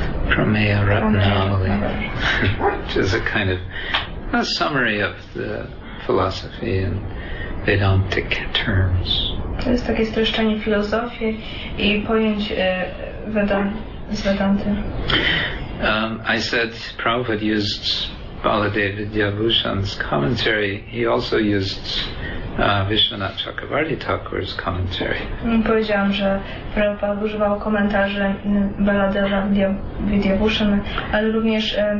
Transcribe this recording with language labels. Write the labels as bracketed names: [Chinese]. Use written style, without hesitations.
[English] Prameya Ratnavali, which is a kind of a summary of the philosophy in Vedantic terms. [Polish] To jest takie streszczenie filozofii i pojęć z Vedanty. [English] I said Prabhupada used Baladeva Vidyabhushan's commentary. He also used Vishwanath Chakravarti Thakur's commentary. [Polish] Powiedziałam, że Prabhupada używał komentarzy Baladeva Vidyabhushan, ale również